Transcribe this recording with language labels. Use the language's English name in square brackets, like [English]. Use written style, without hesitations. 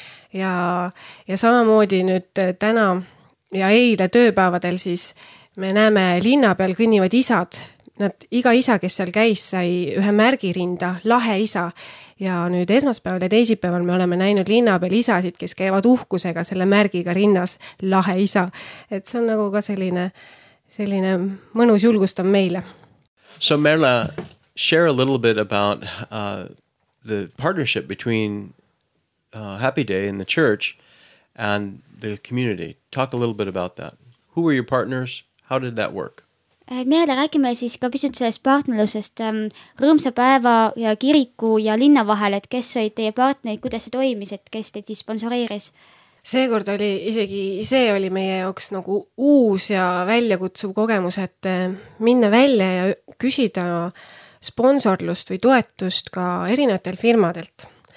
[Estonian] ja samamoodi nüüd täna ja eile tööpäevadel siis me näeme linna peal kõnnivad isad, nad iga isa, kes seal käis, sai ühe märgirinda, lahe isa ja nüüd esmaspäeval ja teisipäeval me oleme näinud linna peal isasid, kes käivad uhkusega selle märgiga rinnas, lahe isa, et see on nagu ka selline mõnus julgustav meile. [English] So Merle, share a little bit about the partnership between Happy Day and the church and the community. Talk a little bit about that. Who were your partners? How did that work? [Estonian] Meile räägime siis ka pisut sellest partnerlusest rõõmsa päeva ja kiriku ja linna vahel, et kes olid teie partnerid, kuidas see toimis, et kes teid siis sponsoreeris? Seekord oli isegi, see oli meie jaoks nagu uus ja väljakutsuv kogemus, et minna välja ja küsida sponsorlust või toetust ka erinevatel firmadelt.